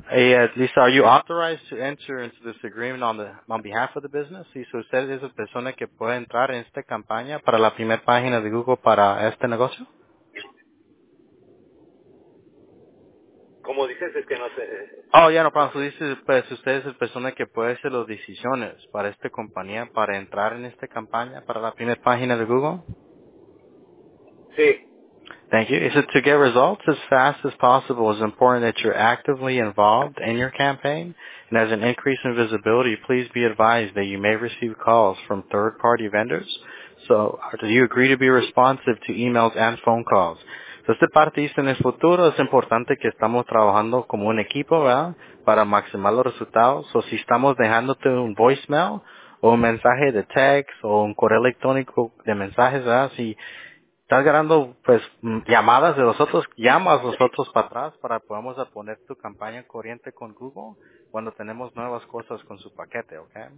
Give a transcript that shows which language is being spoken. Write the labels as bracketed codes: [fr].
[en] Lisa, are you authorized to enter into this agreement on behalf of the business? [es] Y si usted es la persona que puede entrar en esta campaña para la primera página de Google para este negocio. ¿Cómo dices? Es que no sé. Oh, ya, yeah, no, pero si dices, pues usted es la persona que puede hacer las decisiones para esta compañía, para entrar en esta campaña para la primera página de Google. Sí. [en] Thank you. Is it to get results as fast as possible? It's important that you're actively involved in your campaign. And as an increase in visibility, please be advised that you may receive calls from third-party vendors. So, do you agree to be responsive to emails and phone calls? [es] So, esta parte dice, en el futuro es importante que estamos trabajando como un equipo, ¿verdad? Para maximizar los resultados. So, si estamos dejándote un voicemail o un mensaje de text o un correo electrónico de mensajes, ¿verdad? Si estás ganando pues llamadas de nosotros, llamas a nosotros para atrás para que podamos poner tu campaña corriente con Google cuando tenemos nuevas cosas con su paquete, ¿ok?